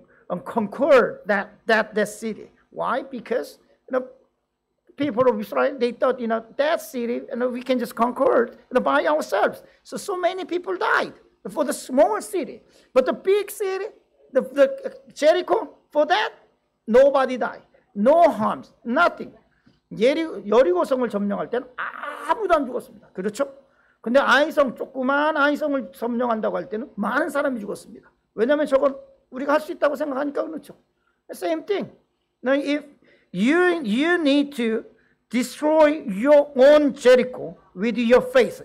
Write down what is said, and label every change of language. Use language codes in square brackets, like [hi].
[en] and conquer that city. Why? Because you know, people of Israel, they thought, you know, that city, you know, we can just conquer it, you know, by ourselves. So many people died for the small city. But the big city, the Jericho, for that, nobody died. No harms, nothing. [ko] 여리고성을 점령할 때는 아무도 안 죽었습니다. 그렇죠? 근데 아이성, 조그만 아이성을 점령한다고 할 때는 많은 사람이 죽었습니다. 왜냐하면 저건 우리가 할 수 있다고 생각하니까 그렇죠. [en] Same thing. Now if you need to destroy your own Jericho with your faith.